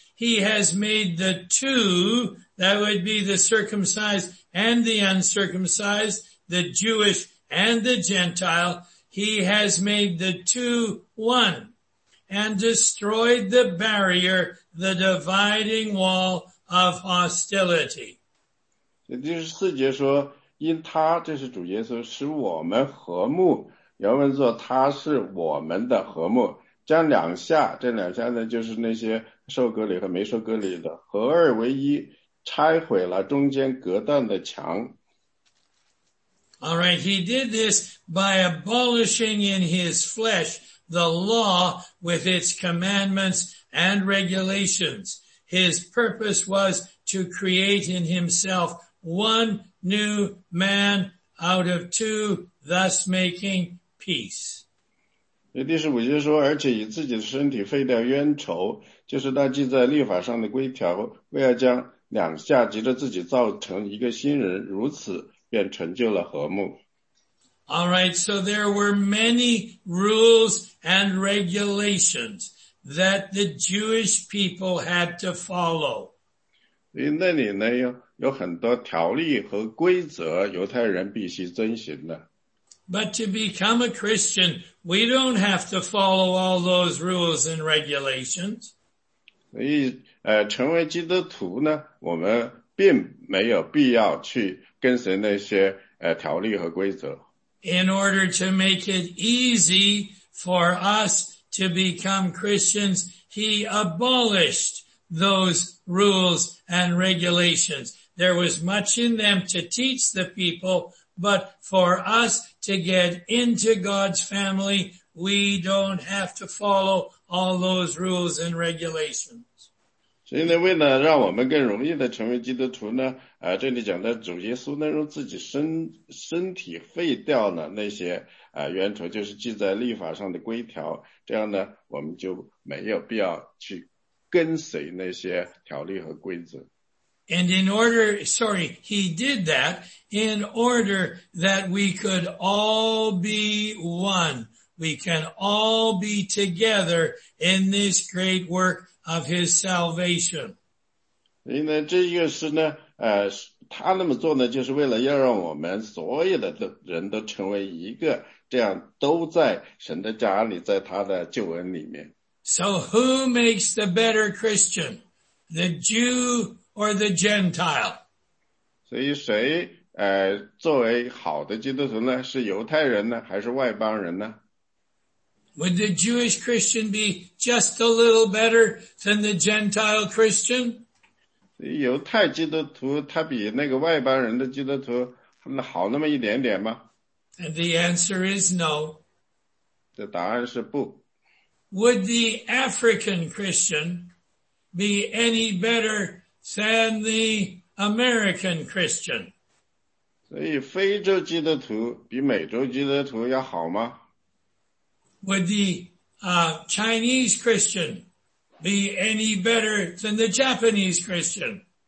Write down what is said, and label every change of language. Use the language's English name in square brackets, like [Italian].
[English] He has made the two, that would be the circumcised and the uncircumcised, the Jewish and the Gentile, he has made the two one and destroyed the barrier, the dividing wall of hostility. [Chinese] 第十四节说，因他，这是主耶稣，使我们和睦。原文说他是我们的和睦，将两下，这两下呢就是那些受割礼和没受割礼的合二为一，拆毁了中间隔断的墙。 [English] All right, he did this by abolishing in his flesh the law with its commandments and regulations. His purpose was to create in himself one new man out of two, thus making peace. [Chinese] 第十五节说，而且以自己的身体废掉冤仇，就是那记在律法上的规条，为要将两下急着自己造成一个新人，如此便成就了和睦。 [English] All right, so there were many rules and regulations that the Jewish people had to follow. [Chinese] 那里呢 有很多条例和规则，犹太人必须遵循的。 [English] But to become a Christian, we don't have to follow all those rules and regulations. [Chinese] 所以成为基督徒呢，我们并没有必要去跟随那些条例和规则。 [English] In order to make it easy for us to become Christians, he abolished those rules and regulations. There was much in them to teach the people, but for us to get into God's family, we don't have to follow all those rules and regulations. [Chinese] 所以呢，为了让我们更容易的成为基督徒呢，这里讲的主耶稣呢，用自己身体废掉了那些冤仇，就是记在律法上的规条，这样呢，我们就没有必要去跟随那些条例和规则。 [English] And in order, sorry, he did that in order that we could all be one. We can all be together in this great work. Of his salvation. [Chinese] 因为这个是呢，他那么做呢，就是为了要让我们所有的人都成为一个，这样都在神的家里，在他的救恩里面。 [English] So who makes the better Christian? the Jew or the Gentile. [Chinese] 所以谁, 作为好的基督徒呢, 是犹太人呢, 还是外邦人呢? [English] Would the Jewish Christian be just a little better than the Gentile Christian? [Chinese] 犹太基督徒他比那个外邦人的基督徒 好那么一点点吗? [English] And the answer is no. [Chinese] 这答案是不。 [English] Would the African Christian be any better than the American Christian? [Chinese] 所以非洲基督徒比美洲基督徒要好吗? [English] Would the Chinese Christian be any better than the Japanese Christian?